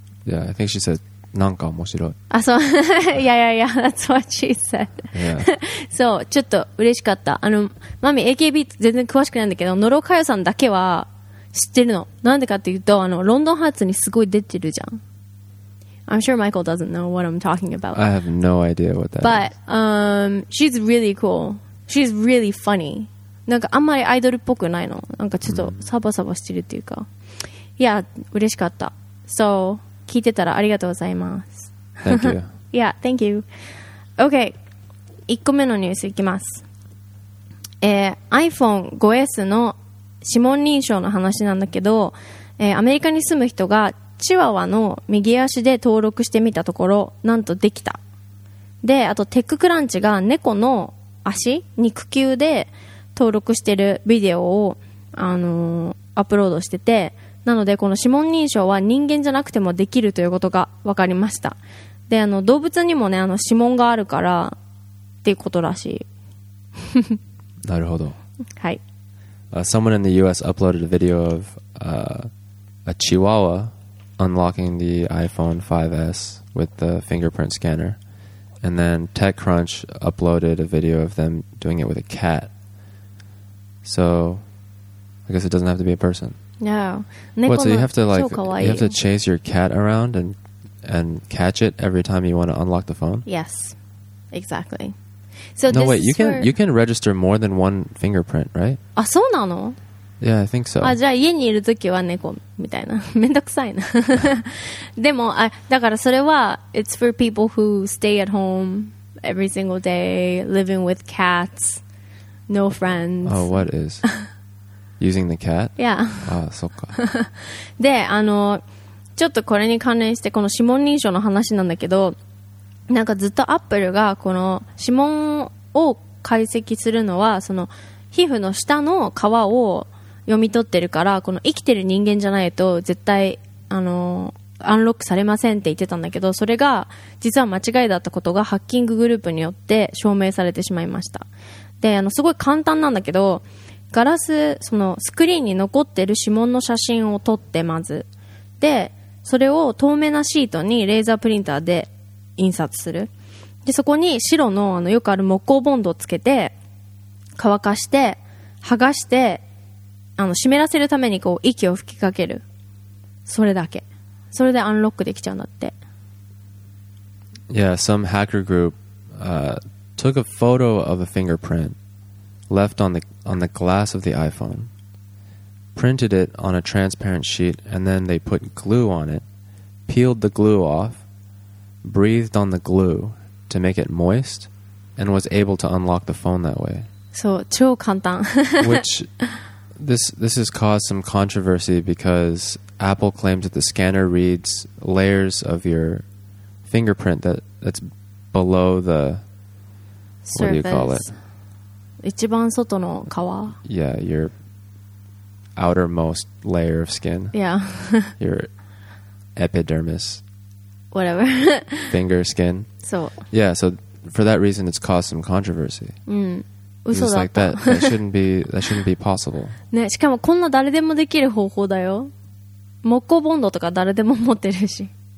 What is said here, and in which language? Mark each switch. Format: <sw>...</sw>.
<en>Yeah, I think she said,</en> <ja>なんか面白い。あ、そう。</ja> <en>Yeah, yeah, yeah, that's what she said. Yeah.</en> <ja>そう、ちょっと嬉しかった。マミ、AKB 全然詳しくないんだけど、野呂佳代さんだけは知ってるの。なんでかっていうと、ロンドンハーツにすごい出てるじゃん。</ja> <en>I'm sure Michael doesn't know what I'm talking about. I have no idea what that But, she's really cool. She's really funny.</en> <ja>なんかあんまりアイドルっぽくないの。なんかちょっとサバサバしてるっていうか。いや、嬉しかった。So,聞いてたらありがとうございます。</ja> <en>Thank you. Yeah, thank you.</en> <ja>OK, 1個目のニュースいきます。 iPhone 5S の指紋認証の話なんだけど、アメリカに住む人がチワワの右足で登録してみたところ、なんとできた。で、あとテッククランチが猫の足肉球で登録してるビデオを、アップロードしてて、なのでこの指紋認証は人間じゃなくてもできるということが分かりました。で、動物にもね、指紋があるからっていうことらしい。なるほど。はい。</ja> <en>Someone in the US uploaded a video of a chihuahua unlocking the iPhone 5S with the fingerprint scanner, and then TechCrunch uploaded a video of them doing it with a cat. So I guess it doesn't have to be a person. No. What, so you have to chase your cat around and catch it every time you want to unlock the phone? Yes, exactly. So no, wait, you can register more than one fingerprint, right?</en> <ja>あ、そうなの?</ja> <en>Yeah, I think so.</en> <ja>あ、じゃあ家にいるときは猫みたいな。めんどくさいな。でも、あ、だからそれは、</ja> <en>it's for people who stay at home every single day, living with cats, no friends. Oh, what is... Using the cat? Yeah.</en> <ja>ああ、そっか。で、ちょっとこれに関連して、この指紋認証の話なんだけど、なんかずっとアップルが、この指紋を解析するのは、その皮膚の下の皮を読み取ってるから、この生きてる人間じゃないと、絶対、アンロックされませんって言ってたんだけど、それが、実は間違いだったことが、ハッキンググループによって証明されてしまいました。で、すごい簡単なんだけど、ガラス、そのスクリーンに残ってる指紋の写真を撮ってまず、でそれを透明なシートにレーザープリンターで印刷する。でそこに白 の, よくある木工ボンドをつけて乾かして、剥がして、湿らせるためにこう息を吹きかける。それだけ。それでアンロックできちゃうんだって。</ja> <en>Yeah, some hacker group took a photo of a fingerprint left on theOn the glass of the iPhone, printed it on a transparent sheet, and then they put glue on it, peeled the glue off, breathed on the glue to make it moist, and was able to unlock the phone that way.</en> <ja>So, 超簡単.</ja> <en>Which, this has caused some controversy because Apple claims that the scanner reads layers of your fingerprint that's below the surface. What do you call it?</en> <ja>一番外の皮?</ja> <en>Yeah, your outermost layer of skin. Yeah. your epidermis. Whatever. finger skin. So. Yeah, so for that reason, it's caused some controversy.</en> <ja>うん。嘘だった。</ja> <en>Like that shouldn't be possible.</en> <ja>ね、しかもこんな誰でもできる方法だよ。木工ボンドとか誰でも持ってるし。</ja>